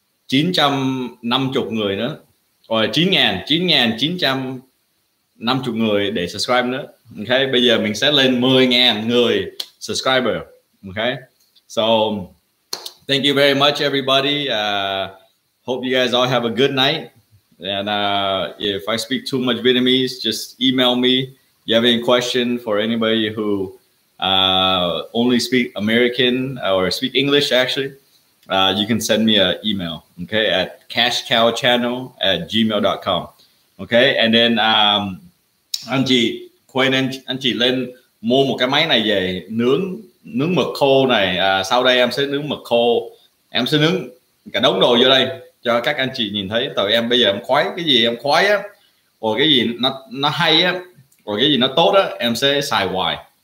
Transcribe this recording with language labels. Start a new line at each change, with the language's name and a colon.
Vietnamese: 950 người nữa. Rồi 9,950 người để subscribe nữa. Ok, bây giờ mình sẽ lên 10,000 người subscriber.
English: Ok. So thank you very much everybody. Hope you guys all have a good night. And if I speak too much Vietnamese, just email me. You have any question for anybody who only speak American or speak English actually, you can send me an email, okay, at cashcowchannel@gmail.com. Okay, and then
Vietnamese: anh chị quên anh chị lên mua một cái máy này về nướng nướng mực khô này. Sau đây em sẽ nướng mực khô, em sẽ nướng cả đống đồ vô đây cho các anh chị nhìn thấy. Tại em bây giờ em khoái cái gì em khoái á, rồi cái gì nó hay á, rồi cái gì nó tốt á, em sẽ xài hoài.